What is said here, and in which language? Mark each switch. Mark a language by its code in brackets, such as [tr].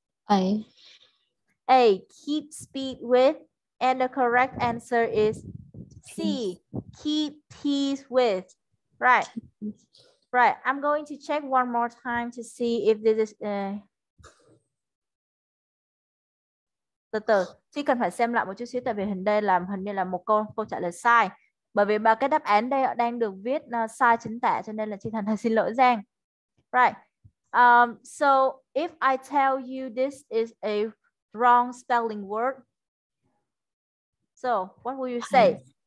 [en] A, keep speed with, and the correct answer is C, keep pace with. Right, right. I'm going to check one more time to see if this is... [vi] Từ từ, chỉ cần phải xem lại một chút xíu, tại vì hình đây là hình như là một câu trả lời sai. Bởi vì ba cái đáp án đây đang được viết sai chính tả, cho nên là chị Thành xin lỗi Giang. [en] Right. So if I tell you this is a wrong spelling word, so what will you say?